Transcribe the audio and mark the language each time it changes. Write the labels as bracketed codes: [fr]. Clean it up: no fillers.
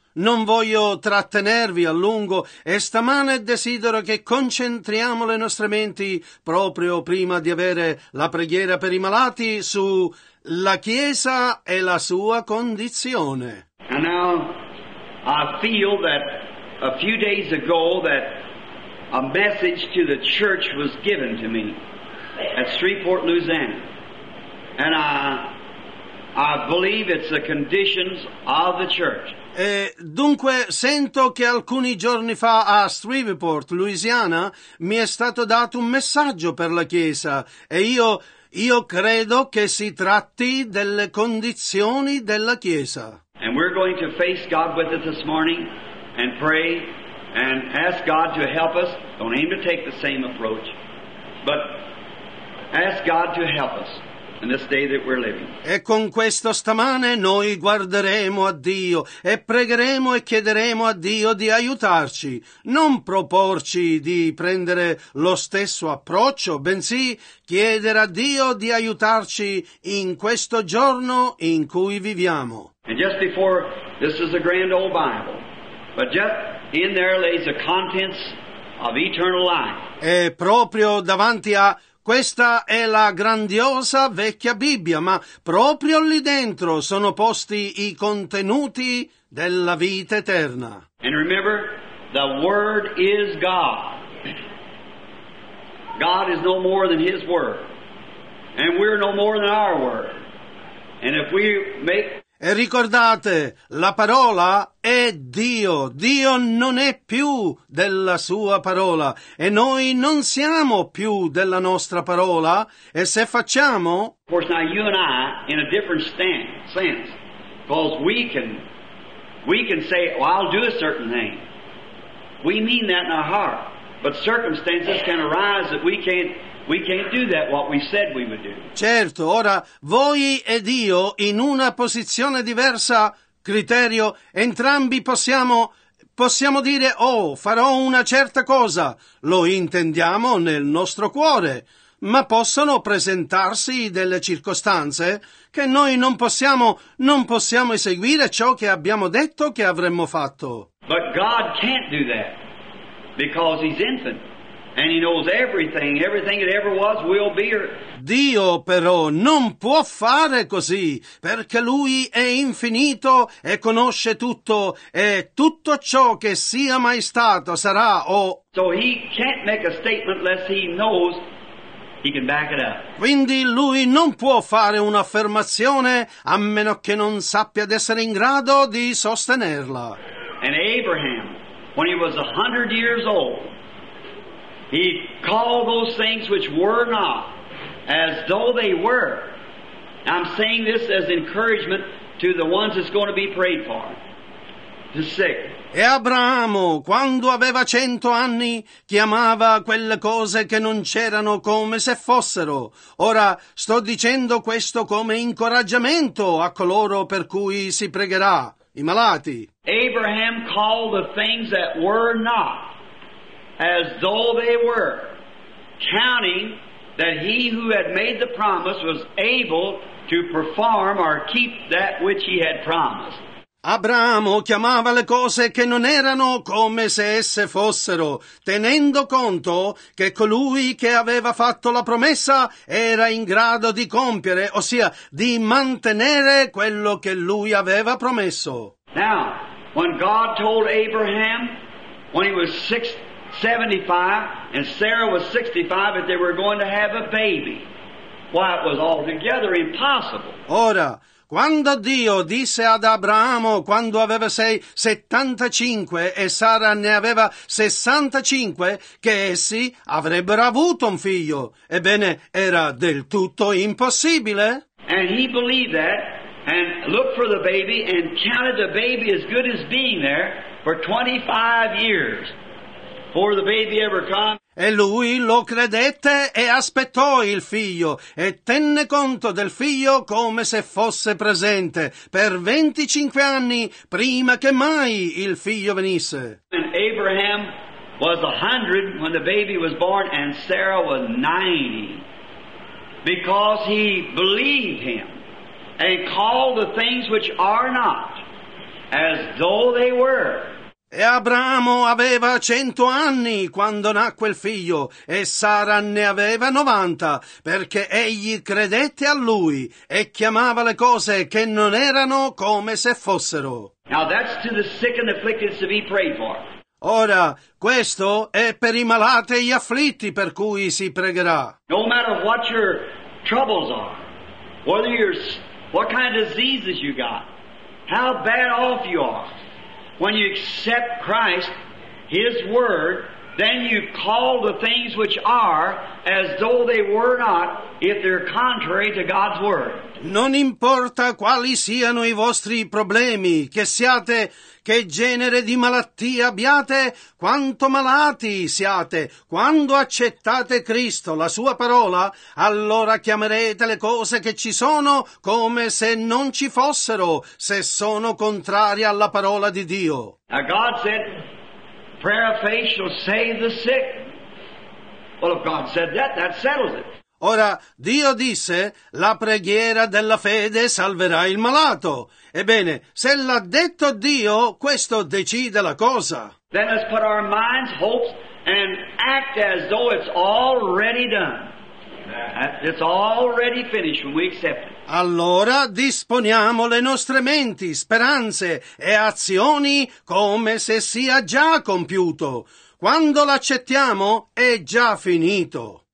[it] Non voglio trattenervi a lungo e stamane desidero che concentriamo le nostre menti proprio prima di avere la preghiera per i malati su la Chiesa e la sua condizione. [en] And now I feel that a few days ago that a message to the church was given to me at Shreveport, Louisiana. And I believe it's the conditions of the church. [it] E dunque sento che alcuni giorni fa a Shreveport, Louisiana, mi è stato dato un messaggio per la Chiesa e io credo che si tratti delle condizioni della Chiesa. [en] And we're going to face God with us this morning and pray and ask God to help us. Don't aim to take the same approach, but ask God to help us. In this day that we're living. [it] E con questo stamane noi guarderemo a Dio e pregheremo e chiederemo a Dio di aiutarci, non proporci di prendere lo stesso approccio, bensì chiedere a Dio di aiutarci in questo giorno in cui viviamo. [en] And just before, this is a grand old Bible, but just in there lays the contents of eternal life. [it] E proprio davanti a questa è la grandiosa vecchia Bibbia, ma proprio lì dentro sono posti i contenuti della vita eterna. [en] And remember, the Word is God. God is no more than His Word. And we're no more than our Word. And if we make... [it] E ricordate, la parola è Dio. Dio non è più della sua parola. E noi non siamo più della nostra parola. E se facciamo... [en] Of course, now you and I, in a different sense, because we can say, well, I'll do a certain thing. We mean that in our heart. But circumstances can arise that we can't do that what we said we would do. [it] Certo, ora voi ed io in una posizione diversa, criterio, entrambi possiamo dire oh, farò una certa cosa, lo intendiamo nel nostro cuore, ma possono presentarsi delle circostanze che noi non possiamo eseguire ciò che abbiamo detto che avremmo fatto. [en] But God can't do that because he's infinite. And he knows everything, everything that ever was, will be. [it] Dio però non può fare così, perché lui è infinito e conosce tutto, e tutto ciò che sia mai stato sarà o... [en] So he can't make a statement unless he knows he can back it up. [it] Quindi lui non può fare un'affermazione a meno che non sappia di essere in grado di sostenerla. [en] And Abraham, when he was 100 years old, he called those things which were not as though they were. I'm saying this as encouragement to the ones that's going to be prayed for, the sick. [it] E Abramo, quando aveva 100 anni, chiamava quelle cose che non c'erano come se fossero. Ora sto dicendo questo come incoraggiamento a coloro per cui si pregherà, i malati. [en] Abraham called the things that were not as though they were, counting that he who had made the promise was able to perform or keep that which he had promised. [it] Abramo chiamava le cose che non erano come se esse fossero, tenendo conto che colui che aveva fatto la promessa era in grado di compiere, ossia di mantenere quello che lui aveva promesso. [en] Now, when God told Abraham, when he was 75 and Sarah was 65, that they were going to have a baby, why, it was altogether impossible. [it] Ora, quando Dio disse ad Abramo, quando aveva 75 e Sara ne aveva 65, che essi avrebbero avuto un figlio, ebbene, era del tutto impossibile. [en] And he believed that, and looked for the baby, and counted the baby as good as being there for 25 years before the baby ever came. [it] E lui lo credette e aspettò il figlio e tenne conto del figlio come se fosse presente per 25 anni prima che mai il figlio venisse. [en] And Abraham was 100 when the baby was born and Sarah was 90 because he believed him and called the things which are not as though they were. [it] E Abramo aveva 100 anni quando nacque il figlio, e Sara ne aveva 90, perché egli credette a lui e chiamava le cose che non erano come se fossero. [en] Now that's to the sick and afflicted to be prayed for. [it] Ora, questo è per i malati e gli afflitti per cui si pregherà. [en] No matter what your troubles are, whether you're, what kind of diseases you got, how bad off you are. When you accept Christ, His Word, then you call the things which are as though they were not, if they're contrary to God's Word. [it] Non importa quali siano i vostri problemi, che siate, che genere di malattia abbiate, quanto malati siate, quando accettate Cristo, la Sua parola, allora chiamerete le cose che ci sono come se non ci fossero, se sono contrarie alla parola di Dio. [en] Now God said, prayer of faith shall save the sick. Well, if God said that, that settles it. [it] Ora, Dio disse, la preghiera della fede salverà il malato. Ebbene, se l'ha detto Dio, questo decide la cosa. [en] Then let's put our minds, hopes, and act as though it's already done. It's already finished when we accept it. [it] Allora disponiamo le nostre menti, speranze e azioni come se sia già compiuto. Quando l'accettiamo, è già finito.